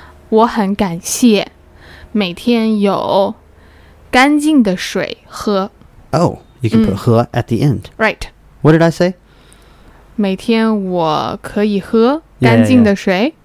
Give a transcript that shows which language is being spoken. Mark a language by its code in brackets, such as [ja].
[zh] 我很感谢每天有干净的水喝。 [en] Oh, you can put、mm. 喝 at the end. Right. What did I say? [zh] 每天我可以喝干净的水。